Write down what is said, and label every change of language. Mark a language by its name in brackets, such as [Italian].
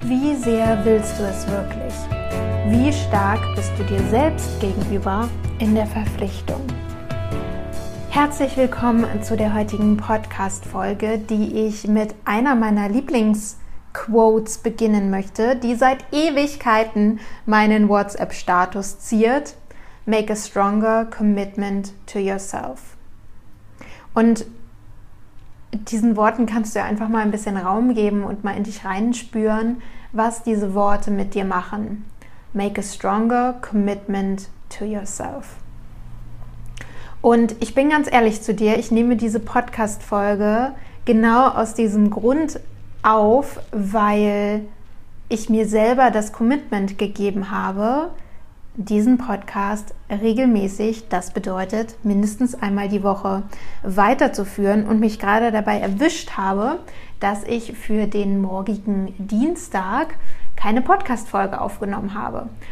[German] Wie sehr willst du es wirklich? Wie stark bist du dir selbst gegenüber in der Verpflichtung? Herzlich willkommen zu der heutigen Podcast-Folge, die ich mit einer meiner Lieblingsquotes beginnen möchte, die seit Ewigkeiten meinen WhatsApp-Status ziert. [English] Make a stronger commitment to yourself. [German] Und diesen Worten kannst du ja einfach mal ein bisschen Raum geben und mal in dich reinspüren, was diese Worte mit dir machen. [English] Make a stronger commitment to yourself. [German] Und ich bin ganz ehrlich zu dir, ich nehme diese Podcast-Folge genau aus diesem Grund auf, weil ich mir selber das Commitment gegeben habe, diesen Podcast regelmäßig, das bedeutet mindestens einmal die Woche, weiterzuführen und mich gerade dabei erwischt habe, dass ich für den morgigen Dienstag keine Podcast-Folge aufgenommen habe.